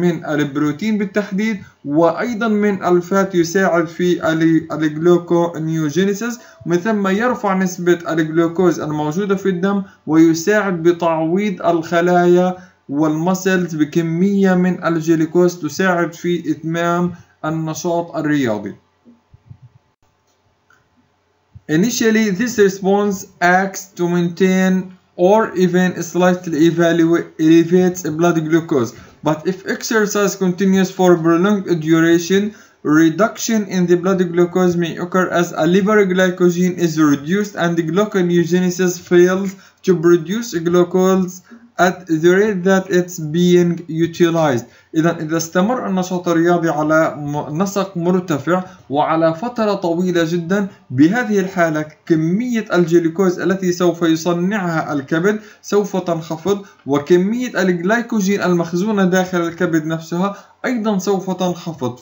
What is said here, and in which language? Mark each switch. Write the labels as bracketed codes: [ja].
[ar] البروتين بالتحديد، وأيضا من الفات يساعد في الجلوكونيوجينيسيس، ومن ثم يرفع نسبة الجلوكوز الموجودة في الدم ويساعد بتعويض الخلايا والمسلز بكمية من الجلوكوز تساعد في إتمام النشاط الرياضي. [en] Initially this response acts to maintain or even slightly elevates blood glucose, but if exercise continues for prolonged duration, reduction in the blood glucose may occur as a liver glycogen is reduced and the gluconeogenesis fails to produce glucose at the rate that it's being utilized. [ar] إذا استمر النشاط الرياضي على نسق مرتفع وعلى فترة طويلة جدا، بهذه الحالة كمية الجلوكوز التي سوف يصنعها الكبد سوف تنخفض، وكمية الجلايكوجين المخزونة داخل الكبد نفسها أيضا سوف تنخفض.